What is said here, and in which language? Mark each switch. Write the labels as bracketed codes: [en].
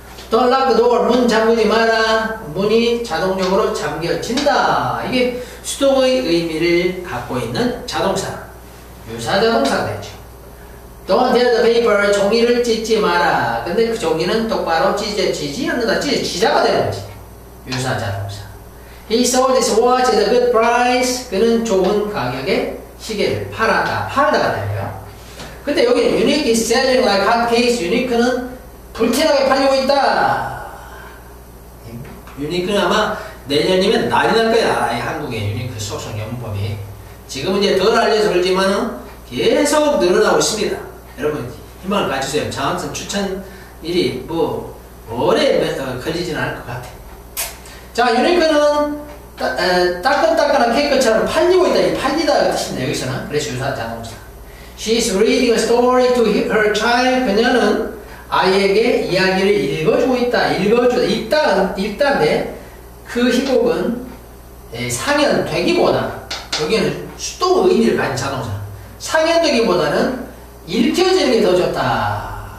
[en] Don't lock the door. [ko] 문 잠그지 마라. 문이 자동적으로 잠겨진다. 이게 수동의 의미를 갖고 있는 자동사. 유사 자동사가 되죠. [en] Don't tear the paper. [ko] 종이를 찢지 마라. 근데 그 종이는 똑바로 찢지 않는다. 찢지자가 되는 거지. 유사 자동사. [en] He sold his watch at a good price. [ko] 그는 좋은 가격에 시계를 팔았다. 팔다가 되네요. 근데 여기 [en] unique is selling like hotcakes. [ko] unique는 불티나게 팔리고 있다. unique는 아마 내년이면 난리 날 거야. 이 한국의 unique 속성 영법이. 지금은 이제 덜 알려져 있지만 계속 늘어나고 있습니다. 여러분, 희망을 가지세요. 장학금 추천 일이 뭐, 오래 걸리진 않을 것 같아. 자, 유니크는 따끈따끈한 케이크처럼 팔리고 있다. 팔리다 뜻이네, 여기서는. 그래서 유사 자동차. [en] She's reading a story to her child. [ko] 그녀는 아이에게 이야기를 읽어주고 있다. 읽어주다. 읽다인데, 그 희곡은 상연되기보다, 여기는 수동 의미를 가진 자동차. 상연되기보다는 읽혀지는 게 더 좋다.